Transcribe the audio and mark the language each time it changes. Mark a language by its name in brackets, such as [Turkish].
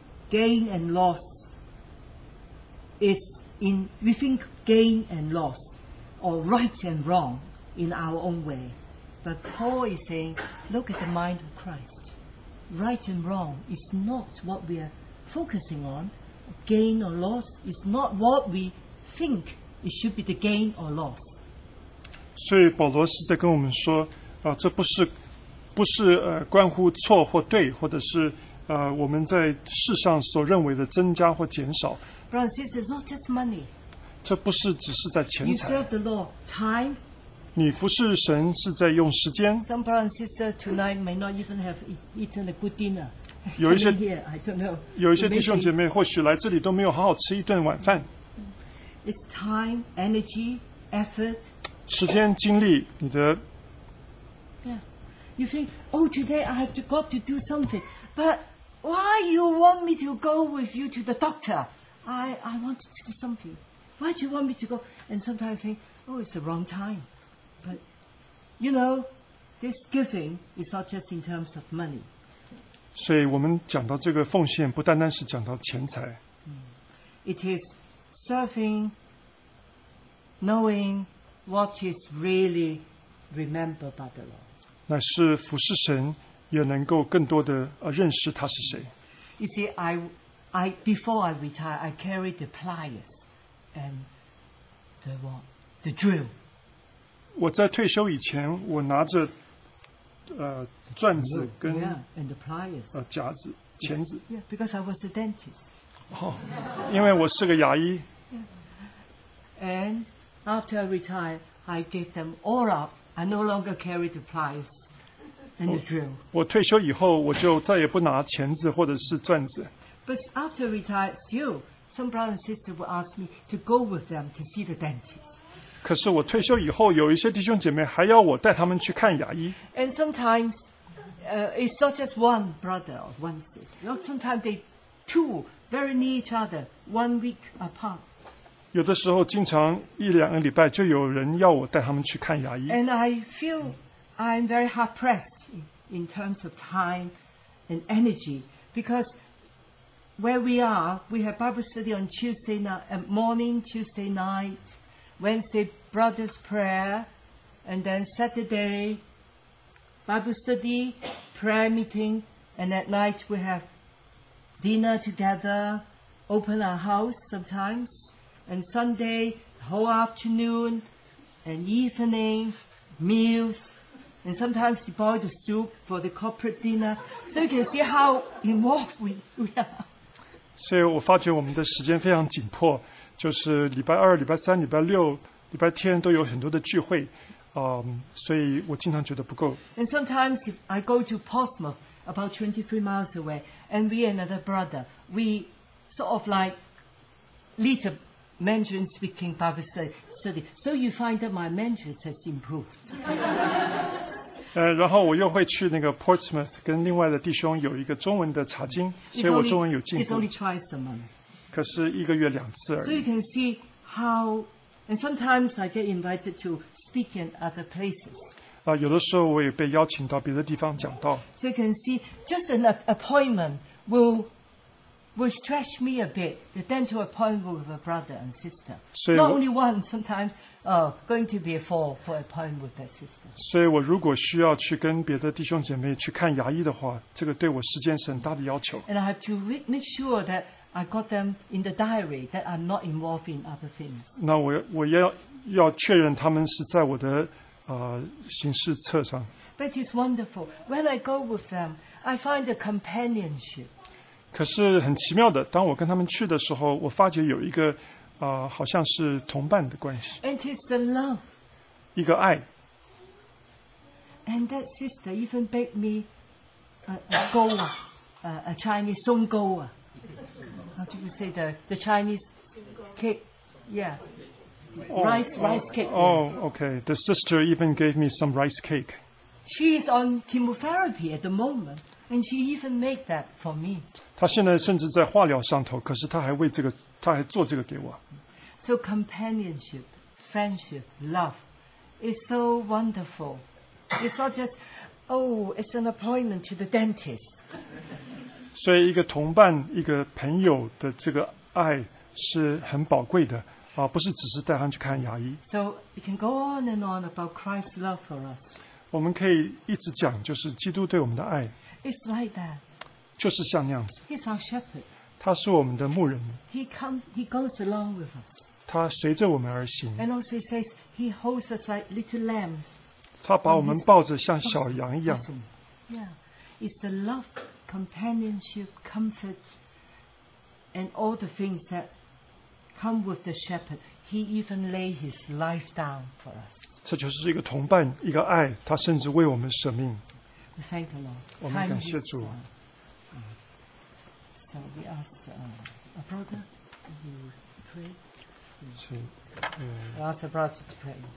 [English] Gain and loss is in, we think gain and loss, or right and wrong in our own way. But Paul is saying, look at the mind of Christ. right and wrong is not what we are focusing on. Gain or loss is not what we think it should be, the gain or loss. [Chinese] 所以保罗是在跟我们说，啊，这不是关乎错或对，或者是我们在世上所认为的增加或减少。 [English] Brothers, this is not just money. [Chinese] 这不是只是在钱财。 [English] You serve the Lord, time. [Chinese] 你服侍神是在用时间。 [English] Some brothers and sisters tonight may not even have eaten a good dinner. [Chinese] 有一些弟兄姐妹或许来这里都没有好好吃一顿晚饭。 [English] It's time, energy, effort. [Chinese] 时间精力你的 [English] You think, oh, today I have got to do something. But why you want me to go with you to the doctor? I want to do something. Why do you want me to go? And sometimes I think, oh, it's the wrong time. But, you know, this giving is not just in terms of money. [Chinese] 所以我们讲到这个奉献不单单是讲到钱财。 [English] It is serving, knowing,What is really remembered by the Lord? [Chinese] 乃是服侍神，也能够更多的认识他是谁。 [English] You see, I before I retire, I carry the pliers and the what? The drill. [Chinese] 我在退休以前，我拿着钻子跟 [English] yeah, and the pliers [Chinese] 夹子钳子。 [English] Yeah, because I was a dentist. [Chinese] 因为我是个牙医。 [English] And After I retire, I gave them all up. I no longer carry the pliers and the drill. [Chinese] 我退休以后，我就再也不拿钳子或者是钻子。 [English] But after retire, still, some brothers and sisters will ask me to go with them to see the dentist. [Chinese] 可是我退休以后，有一些弟兄姐妹还要我带他们去看牙医。 [English] And sometimes, it's not just one brother or one sister. You know, sometimes they two very near each other, 1 week apart. [Chinese] 有的时候经常一两个礼拜就有人要我带他们去看牙医。 [English] And I feel I'm very hard pressed in terms of time and energy because where we are, we have Bible study on Tuesday morning, Tuesday night, Wednesday brother's prayer, and then Saturday Bible study, prayer meeting, and at night we have dinner together, open our house sometimes. And Sunday, whole afternoon, and evening, meals, and sometimes you boil the soup for the corporate dinner. So you can see how involved we are. [Chinese] 所以我发觉我们的时间非常紧迫，就是礼拜二、礼拜三、礼拜六、礼拜天都有很多的聚会，所以我经常觉得不够。 [English] And sometimes if I go to Portsmouth, about 23 miles away, and we and another brother, we sort of like lead a... Mandarin speaking Bible study. So you find that my Mandarin has improved. [Chinese] 然后我又会去那个 Portsmouth 跟另外的弟兄有一个中文的查经，所以我中文有进步。 [English] It's only twice a month. [Chinese] 可是一个月两次而已。 [English] So you can see how, and sometimes I get invited to speak in other places. [Chinese] 有的时候我也被邀请到别的地方讲道。 [English] So you can see just an appointment will stretch me a bit, the dental appointment with a brother and sister. Not only one, sometimes going to be a four for appointment with a sister. [Chinese] 所以我如果需要去跟别的弟兄姐妹去看牙医的话，这个对我时间是很大的要求。 [English] And I have to make sure that I got them in the diary that I'm not involved in other things. [Chinese] 那我要确认他们是在我的行事册上。 [English] But it's wonderful. When I go with them, I find a companionship. [Chinese] 可是很奇妙的，当我跟他们去的时候，我发觉有一个，好像是同伴的关系。 [English] And it's the love. [Chinese] 一个爱。 [English] And that sister even begged me a goa, a Chinese song goa. How do you say the Chinese cake? Yeah. Rice cake. Oh, okay. The sister even gave me some rice cake. She is on chemotherapy at the moment. And she even made that for me. [Chinese] 她现在甚至在化疗上头，可是她还为这个，她还做这个给我。 [English] So companionship, friendship, love is so wonderful. It's not just, oh, it's an appointment to the dentist. [Chinese] 所以一个同伴，一个朋友的这个爱是很宝贵的。不是只是带他去看牙医。 [English] So it can go on and on about Christ's love for us. [Chinese] 我们可以一直讲，就是基督对我们的爱。 [English] It's like that. [Chinese] 就是像那样子。 [English] He's our shepherd. [Chinese] 他是我们的牧人。 [English] He goes along with us. [Chinese] 他随着我们而行。 [English] And also he says he holds us like little lambs. [Chinese] 他把我们抱着像小羊一样。 [English] Yeah, it's the love, companionship, comfort, and all the things that come with the shepherd. He even laid his life down for us. [Chinese] 这就是一个同伴，一个爱，他甚至为我们舍命。 [English] We thank the Lord. [Chinese] 我们感谢主。 [English] So we ask a brother, you pray. [Chinese] 是。 [English] We ask a brother to pray.